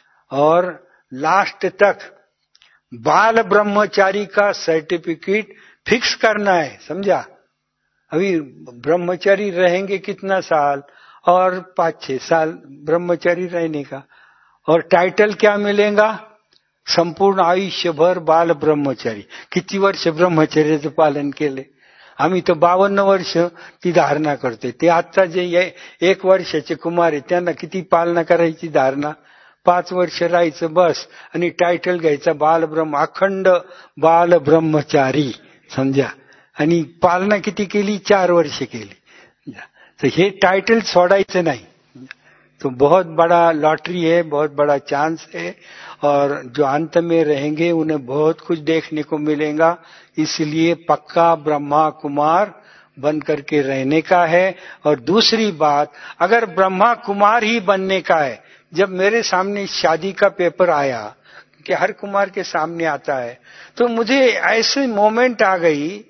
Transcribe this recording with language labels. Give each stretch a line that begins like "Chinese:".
Hindi: और लास्ट तक बाल ब्रह्मचारी का सर्टिफिकेट फिक्स करना है, समझा। अभी ब्रह्मचारी रहेंगे कितना साल, और 5-6 साल ब्रह्मचारी रहने का, और टाइटल क्या मिलेगा, संपूर्ण आयुष्य भर बाल ब्रह्मचारी। कितनी वर्ष ब्रह्मचर्य से पालन के लिए,
Marathi: आम्ही तो 52 वर्ष ती धारणा करते, ते आता जे एक वर्षाचे कुमार आहे त्यांना किती पालना करायची धारणा, 5 वर्ष राहायचं बस, आणि टायटल घ्यायचं बाल ब्रह्म, अखंड बाल ब्रह्मचारी, समजा। आणि पालना किती केली, 4 वर्ष केली, तर हे टायटल सोडायचं नाही।
Hindi: तो बहुत बड़ा लॉटरी है, बहुत बड़ा चांस है, और जो अंत में रहेंगे उन्हें बहुत कुछ देखने को मिलेगा। इसलिए पक्का ब्रह्मा कुमार बन करके रहने का है। और दूसरी बात, अगर ब्रह्मा कुमार ही बनने का है, जब मेरे सामने शादी का पेपर आया, कि हर कुमार के सामने आता है, तो मुझे ऐसे मोमेंट आ गई